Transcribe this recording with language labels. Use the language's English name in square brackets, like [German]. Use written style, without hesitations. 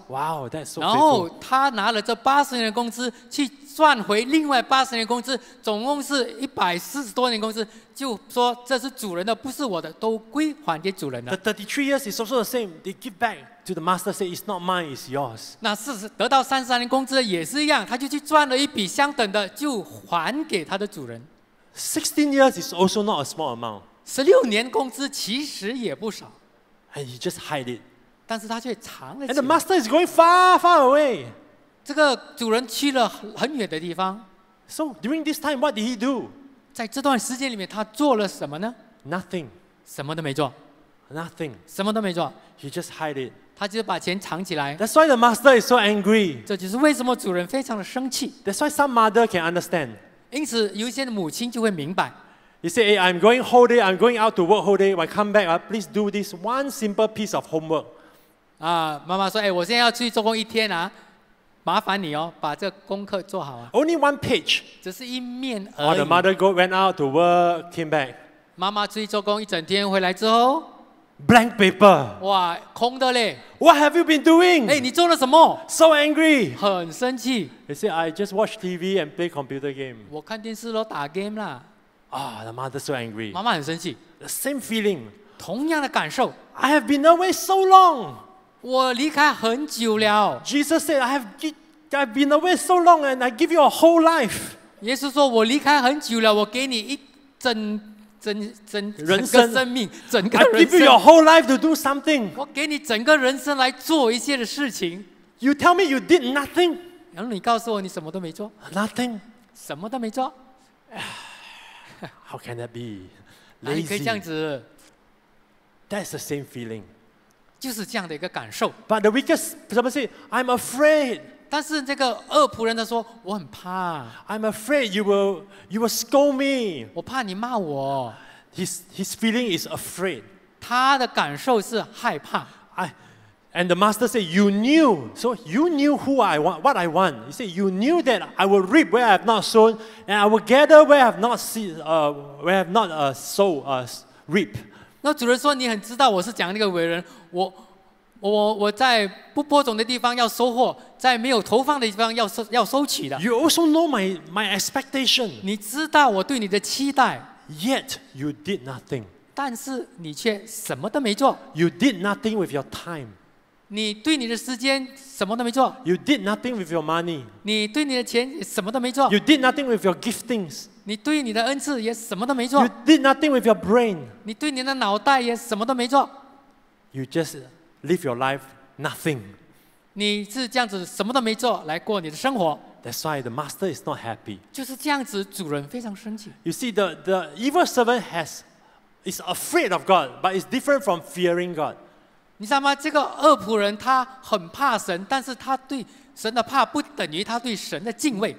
[English] Wow, that's so faithful. [Chinese] 然后他拿了这80年的工资去赚回另外80年的工资，总共是140多年的工资，就说这是主人的，不是我的，都归还给主人了。 [English] The 33 years is also the same. They give back. To the master said, "It's not mine; it's yours." [Chinese] 那是得到33年工资也是一样，他就去赚了一笔相等的，就还给他的主人。 [English] 16 years is also not a small amount. [Chinese] 16年工资其实也不少。 [English] And he just hide it. [Chinese] 但是他却藏了。 [English] And the master is going far, far away. [Chinese] 这个主人去了很远的地方。 [English] So during this time, what did he do? [Chinese] 在这段时间里面，他做了什么呢 [English] ？Nothing. [Chinese] 什么都没做。 [English] Nothing. [Chinese] 什么都没做。 [English] He just hide it. [Chinese] 他就把钱藏起来。 [English] That's why the master is so angry. [Chinese] 这就是为什么主人非常的生气。 [English] That's why some mother can understand. [Chinese] 因此，有一些母亲就会明白。 [English] He said, "Hey, I'm going whole day. I'm going out to work whole day. When I come back, please do this one simple piece of homework." [Chinese] 啊，妈妈说，哎，我现在要去做工一天啊，麻烦你哦，把这功课做好啊。 [English] Only one page. [Chinese] 只是一面而已。 [English] Or the mother go went out to work, came back. [Chinese] 妈妈出去做工一整天，回来之后。 [English] Blank paper. [Chinese] 哇，空的嘞。 [English] What have you been doing? [Chinese] 哎，你做了什么 [English] ？So angry. [Chinese] 很生气。 [English] He said, "I just watch TV and play computer game." [Chinese] 我看电视咯，打 game 啦。 [English] Ah,、oh, the mother so angry. [Chinese] 妈妈很生气。 [English] The same feeling. [Chinese] 同样的感受。 [English] I have been away so long. [Chinese] 我离开很久了。 [English] Jesus said, "I've been away so long, and I give you a whole life." [Chinese] 耶稣说，我离开很久了，我给你一整。人生生命，整个人生。 [English] I give you your whole life to do something. [Chinese] 我给你整个人生来做一些的事情。 [English] You tell me you did nothing. [Chinese] 然后你告诉我你什么都没做。 [English] Nothing. [Chinese] 什么都没做。 [English] How can that be? Lazy. [Chinese] 可以这样子。 [English] That's the same feeling. [Chinese] 就是这样的一个感受。 [English] But the wicked person said, I'm afraid. [Chinese] 但是这个恶仆人他说我很怕。 [English] I'm afraid you will scold me. [Chinese] 我怕你骂我。 [English] His feeling is afraid. [Chinese] 他的感受是害怕。 [English] And the master said, you knew. So you knew who I want, what I want. He said, you knew that I will reap where I have not sown, and I will gather where I have not seed, where I have not sowed, reap. [Chinese] 那主人说，你很知道我是讲那个伟人，我在不播种的地方要收获，在没有投放的地方要收取的。 [English] You also know my expectation. [Chinese] 你知道我对你的期待。 [English] Yet you did nothing. [Chinese] 但是你却什么都没做。 [English] You did nothing with your time. [Chinese] 你对你的时间什么都没做。 [English] You did nothing with your money. [Chinese] 你对你的钱什么都没做。 [English] You did nothing with your giftings. [Chinese] 你对你的恩赐也什么都没做。 [English] You did nothing with your brain. [Chinese] 你对你的脑袋也什么都没做。 [English] You just live your life nothing. [Chinese] 你是这样子什么都没做来过你的生活。 [English] That's why the master is not happy. [Chinese] 就是这样子，主人非常生气。 [English] You see, the evil servant is afraid of God, but it's different from fearing God. [Chinese] 你知道吗？这个恶仆人他很怕神，但是他对神的怕不等于他对神的敬畏。